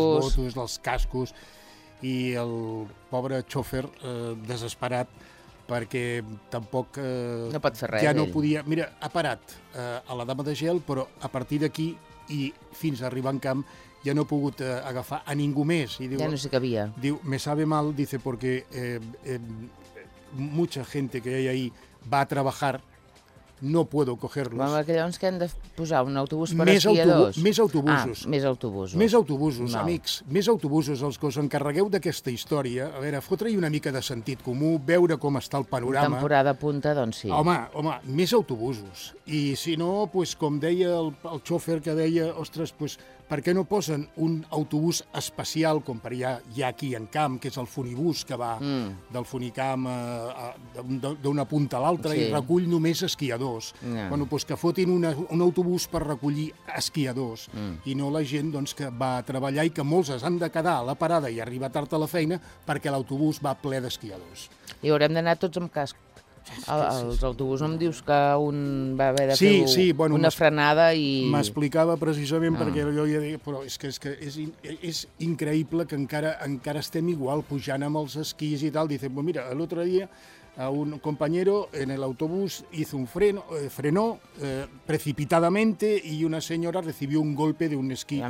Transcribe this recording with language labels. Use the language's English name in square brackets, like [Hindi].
[Catalan] les motos, els cascos, i el pobre xòfer desesperat perquè tampoc no pot fer res, ja no podia, mira, ha parat a la dama de gel, però a partir d'aquí i fins a arribar en camp ja no he pogut agafar a ningú més. I diu, ja no sé què havia. Diu, [Spanish] me sabe mal, dice, porque mucha gente que hay ahí va a trabajar, no puedo cogerlos. [Catalan] Bueno, que llavors que hem de posar un autobús per més esquiadors? Més autobusos. Ah, més autobusos. Més autobusos, no. Amics. Més autobusos, els que us encarregueu d'aquesta història. A veure, fotre-hi una mica de sentit comú, veure com està el panorama. Temporada punta, doncs sí. Home, home, més autobusos. I si no, pues, com deia el xòfer que deia, ostres, pues, per què no posen un autobús especial, com per allà hi ha aquí en Camp, que és el funibús que va del Funicamp d'una punta a l'altra, sí, i recull només esquiadors. Yeah. Bueno, doncs que fotin un autobús per recollir esquiadors i no la gent, doncs, que va a treballar i que molts es han de quedar a la parada i arribar tard a la feina perquè l'autobús va ple d'esquiadors. I haurem d'anar tots amb casc. Els autobús, no em dius que un va haver de fer bueno, una frenada i... M'explicava precisament perquè jo ja deia, però és que és increïble que encara estem igual pujant amb els esquís i tal. [Spanish] Dice, mira, [Catalan] l'altre dia [Spanish] un compañero en el autobús hizo un frenó precipitadamente y una señora recibió un golpe de un esquí